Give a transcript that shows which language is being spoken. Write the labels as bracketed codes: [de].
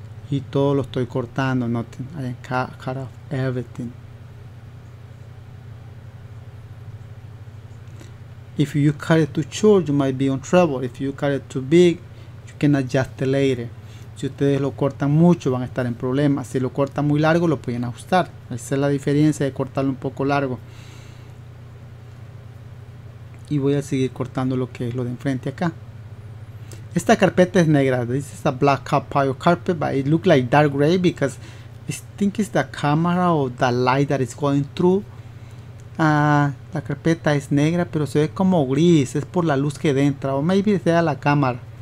[es] Y todo lo estoy cortando, noten, [en] I cut off everything. If you cut it too short, you might be in trouble. If you cut it too big, you can adjust it later. [es] Si ustedes lo cortan mucho, van a estar en problemas. Si lo cortan muy largo, lo pueden ajustar. Esa es la diferencia de cortarlo un poco largo. Y voy a seguir cortando lo que es lo de enfrente acá. Esta carpeta es negra. [en] This is a black pile carpet, but it looks like dark gray because I think it's the camera or the light that is going through. [es] La carpeta es negra, pero se ve como gris. Es por la luz que entra. O [en] maybe [es] sea la cámara.